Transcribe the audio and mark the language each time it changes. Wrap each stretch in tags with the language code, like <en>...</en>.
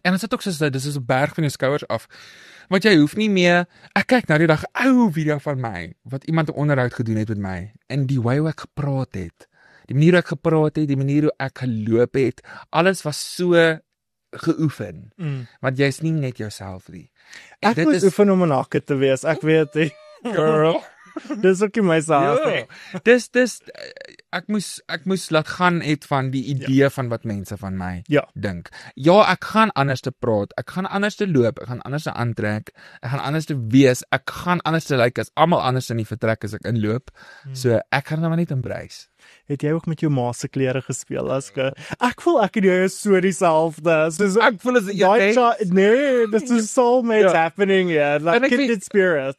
<af>En as dit ook soos dit, dis 'n berg van jou skouers af, want jy hoef nie meer, ek kyk na die dag ou video van my, wat iemand 'n onderhoud gedoen het met my, en die way hoe ek gepraat het, die manier hoe ek gepraat het, die manier hoe ek geloop het, alles was so geoefen, want jy is nie net jouself nie. Ek moet oefen om 'n hake te wees, ek weet nie.</af> <en>Girl.</en> <af>Dis ook nie myself nie. Dis, ek moes laat gaan het van die idee van wat mense van my dink. Ja, ek gaan anders te praat, ek gaan anders te loop, ek gaan anders te aantrek, ek gaan anders te wees, ek gaan anders te lyk as almal anders in die vertrek as ek inloop. So ek gaan nou net embrace. Het jy ook met jou ma se klere gespeel, Aske? Ek voel ek en jy is so dieselfde. Soos, ek voel as jy dink. Nee,</af> <en>this is soulmates happening, like kindred spirits.</en>